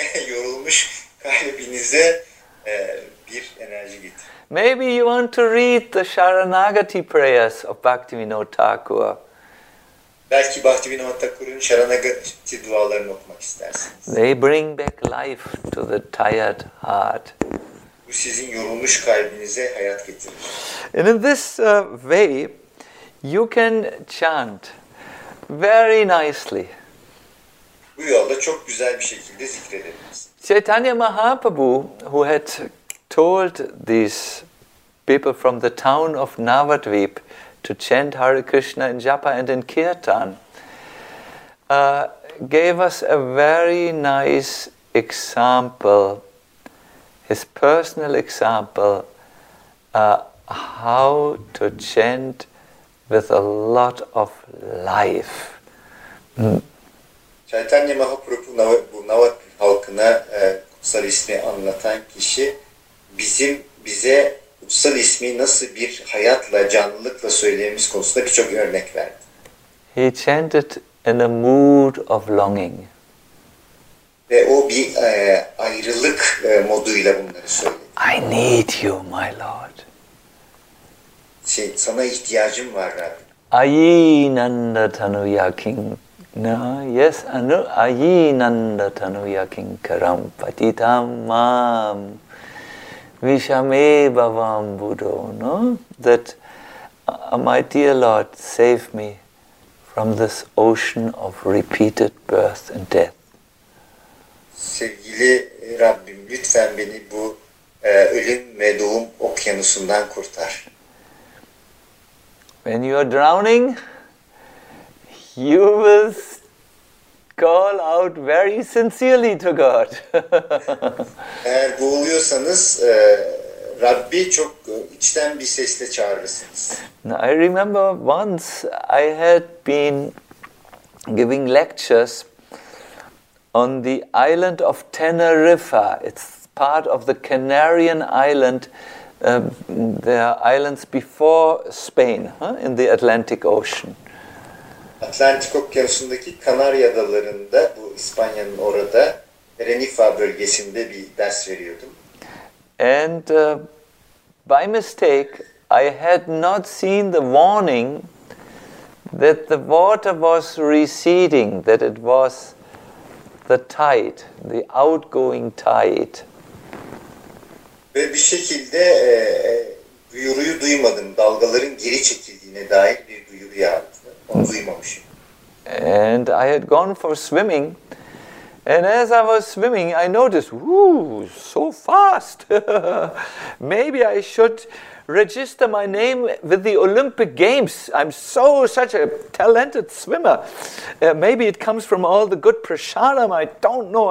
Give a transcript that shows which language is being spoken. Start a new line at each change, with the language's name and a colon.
Turkish: Yorulmuş kalbinize bir enerji getir.
English: Maybe you want to read the Sharanagati prayers of Bhaktivinoda Thakur.
Turkish: Belki Bhaktivinoda Thakur'un Sharanagati dualarını okumak istersiniz.
English: They bring back life to the tired heart.
Turkish: Bu sizin yorulmuş kalbinize hayat getirir.
English: And in this way, you can chant very nicely.
Turkish: Bu yolda çok güzel bir şekilde zikredebilirsin.
English: Chaitanya Mahaprabhu, who had told these people from the town of Navadvip to chant Hare Krishna in Japa and in Kirtan, gave us a very nice example, his personal example, how to chant with a lot of life.
Turkish: Chaitanya Mahaprabhu bu Navadvip halkına kutsal ismi anlatan kişi bize kutsal ismi nasıl bir hayatla, canlılıkla söylememiz konusunda birçok örnek verdi.
English: He chanted in a mood of longing.
Turkish: Ve o bir ayrılık moduyla bunları söyledi.
English: I need you, my Lord.
Turkish: Sana ihtiyacım var Rabbim.
Sanskrit: Ayi nanda tanuya king.
English: No, yes,
Sanskrit: anu ayi nanda tanuya king karam patitam mam. Vishame bhavam budo, no?
English: That my dear Lord, save me from this ocean of repeated birth and death.
Turkish: Sevgili Rabbim, lütfen beni bu ölüm ve doğum okyanusundan kurtar.
English: When you are drowning, you will call out very sincerely to God.
Turkish: Eğer boğuluyorsanız Rabbi çok içten bir sesle çağırırsınız.
English: Now, I remember once I had been giving lectures on the island of Tenerife. It's part of the Canarian island. There are islands before Spain, in the Atlantic Ocean.
Turkish: Atlantik Okyanusu'ndaki Kanarya Adaları'nda, bu İspanya'nın orada, Tenerife bölgesinde bir ders veriyordum.
English: And by mistake, I had not seen the warning that the water was receding, that it was the tide, the outgoing tide.
Turkish: Ve bir şekilde duyuruyu duymadım, dalgaların geri çekildiğine dair bir duyuru yaptım, onu duymamışım.
English: And I had gone for swimming, and as I was swimming, I noticed, whoo, so fast. Maybe I should register my name with the Olympic Games. I'm such a talented swimmer. Maybe it comes from all the good prasadam. I don't know.